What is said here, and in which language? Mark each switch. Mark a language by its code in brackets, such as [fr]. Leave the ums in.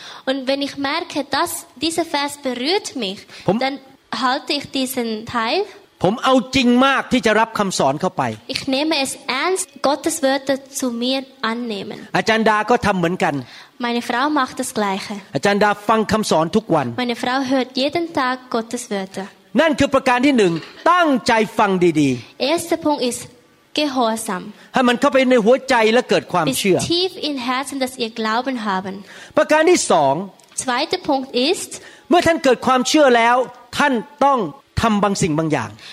[de] Und wenn ich merke, dass dieser Vers berührt mich, dann halte ich diesen Teil. [th] ผมเอาจริงมากที่จะรับคำสอนเข้าไป [de] Ich nehme es ernst, Gottes Wörter zu mir annehmen. [th] อาจารย์ดาก็ทำเหมือนกัน [de] Meine Frau macht das Gleiche. [th] อาจารย์ดาฟังคำสอนทุกวัน [de] Meine Frau hört jeden Tag Gottes Wörter. [th] นั่นคือประการที่หนึ่งตั้งใจฟังดี [de] ๆ Erster Punkt ist Gehorsam. [th] ให้มันเข้าไปในหัวใจและเกิดความเชื่อ [de] Tief in Herzen, dass ihr Glauben haben. [th] ประการที่สอง [de] Zweiter Punkt [th] ist เมื่อท่านเกิดความเชื่อแล้วท่านต้องทำบางสิ่งบางอย่าง